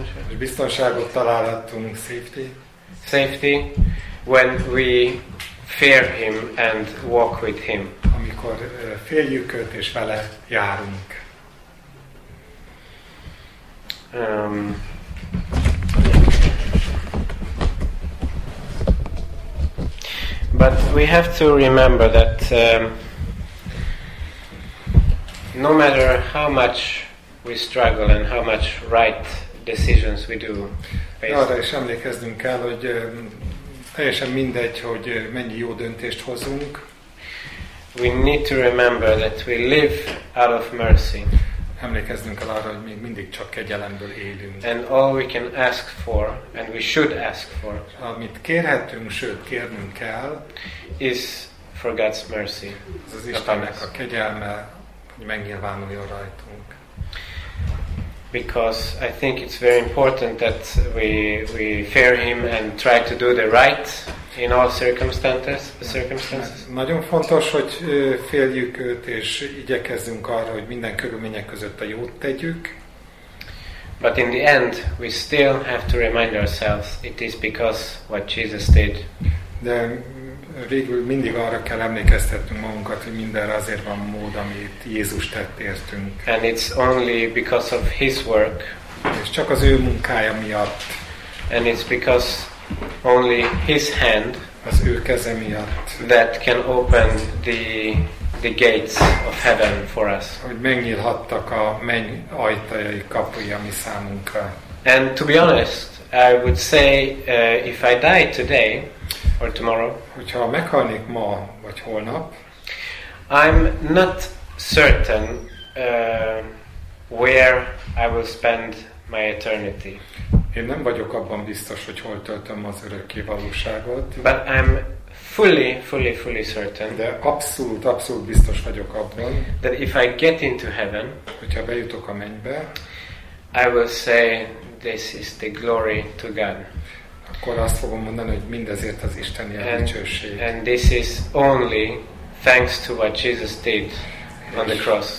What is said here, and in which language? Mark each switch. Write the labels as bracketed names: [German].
[Hungarian] És biztonságot találhatunk, safety. [English] Safety when we fear Him and walk with Him. [Hungarian] Amikor féljük Őt és vele járunk. [English] But we have to remember that no matter how much we struggle and how much right decisions we do. [Hungarian] Arra is emlékeznünk kell, hogy teljesen mindegy, hogy mennyi jó döntést hozunk. [English] We need to remember that we live out of mercy. [Hungarian] Emlékeznünk kell arra, hogy még mindig csak kegyelemből élünk. [English] And all we can ask for, and we should ask for, [Hungarian] amit kérhetünk, sőt kérnünk kell, [English] is for God's mercy. [Hungarian] Ez az Istennek a kegyelme, hogy megnyilvánuljon rajtunk. [English] Because I think it's very important that we fear Him and try to do the right in all circumstances. [Hungarian] Nagyon fontos, hogy féljük Őt és igyekezzünk arra, hogy minden körülmények között a jót tegyük. [English] But in the end, we still have to remind ourselves it is because what Jesus did. [Hungarian] De végül mindig arra kell emlékeztetnünk magunkat, hogy mindenre azért van mód, amit Jézus tett értünk. [English] And it's only because of His work. [Hungarian] És csak az ő munkája miatt. [English] And it's because only His hand, [Hungarian] az ő keze miatt, [English] that can open the gates of heaven for us. [Hungarian] Hogy megnyílhattak a menny ajtajai, kapui a mi számunkra. [English] And to be honest, I would say if I die today, or tomorrow, [Hungarian] hogyha meghalnék ma vagy holnap, [English] I'm not certain where I will spend my eternity. [Hungarian] Én nem vagyok abban biztos, hogy hol töltöm az örökké valóságot. [English] But I'm fully certain. [Hungarian] De abszolút biztos vagyok abban. [English] That if I get into heaven, [Hungarian] hogyha bejutok a mennybe, [English] I will say this is the glory to God. [Hungarian] Akkor azt fogom mondani, hogy mindezért az Isteni a dicsőség. [English] And this is only thanks to what Jesus did on the cross.